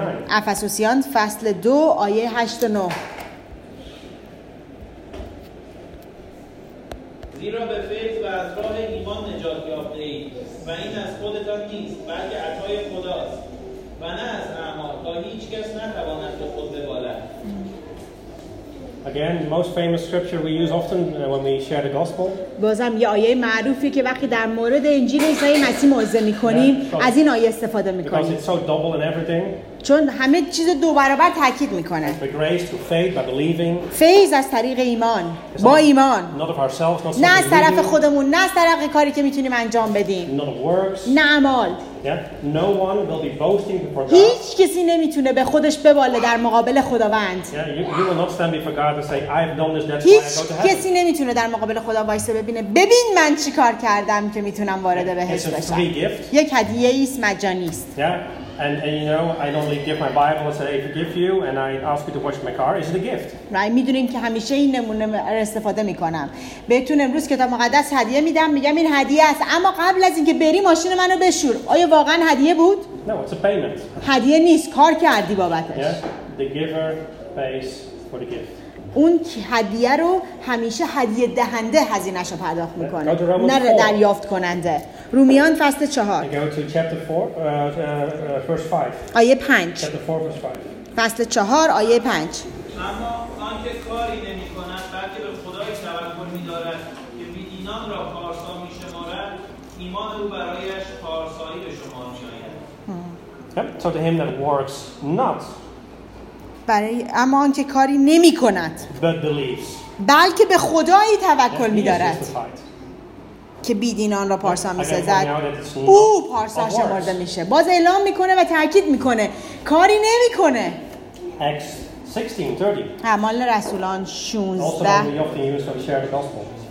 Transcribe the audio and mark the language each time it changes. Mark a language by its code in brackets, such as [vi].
[fa] افسوسیان فصل 2 آیه 8 و 9. زیرا به فیض و از راه ایمان نجات یافته اید و این از خودتان نیست، بلکه عطای خداست، و نه از اعمال، تا هیچ کس نتواند به خود ببالد. [en] Again, the most famous scripture we use often when we share the gospel. [fa] بازم یه آیه معروفی که وقتی در مورد انجیل عیسی مسیح موعظه می‌کنیم از این آیه استفاده می‌کنیم. [en] Because it's so double in everything. [fa] چون همه چیز دو برابر تاکید می‌کنه. [en] The grace through faith by believing. [fa] فیض از طریق ایمان. با ایمان. [en] Not of ourselves, not [fa] نه از طرف خودمون، نه از طریق کاری که می‌تونیم انجام بدیم. [en] Not of works. [fa] نه اعمال. [en] Yeah. No one will be boasting before God. [fa] هیچ کسی نمیتونه به خودش بباله در مقابل خداوند. [en] Yeah, you will not stand before God and say, I've done this. [fa] هیچ کسی نمیتونه در مقابل خدا وایسه ببینه. ببین من چی کار کردم که میتونم وارد بهش بشم. یک هدیه ایست، مجانی است. [en] Yeah, and you know, I don't only give my Bible and say, I forgive you, and I ask you to wash my car. Is it a gift? Right. [fa] میدونیم که همیشه این نمونه را استفاده میکنم. بهتون امروز کتاب مقدس هدیه میدم. میگم این هدیه است. اما قبل از اینکه بری ماشین منو بشور. واقعا هدیه بود؟ [en] No, it's a payment. [fa] هدیه نیست، کار کردی بابتش. [en] Yeah, the giver pays for the gift. [fa] اون هدیه رو همیشه هدیه دهنده هزینه‌ش رو پرداخت می‌کنه، نه دریافت کننده. رومیان فصل 4. [en] I go to chapter 4 verse 5. [fa] آیه 5. [en] Chapter 4 verse 5. [fa] فصل 4 آیه 5. اما آن که کاری نمی‌کند بلکه به خدای توکل می‌دارد که بی‌دینان را پارسا می‌شمارد، ایمان او برایش پارسایی به شما می‌آید. تو هم [en] that works not. [fa] برای اما آن که کاری نمی‌کند. [en] But believes. [fa] بلکه به خدایی توکل می‌دارد. که بی‌دینان را پارسا می‌سازد. او پارسا شمرده میشه. باز اعلام میکنه و تاکید میکنه کاری نمی‌کنه. [en] Acts 16:30. [fa] اعمال رسولان 16. [en] Also, we often use to share the gospel.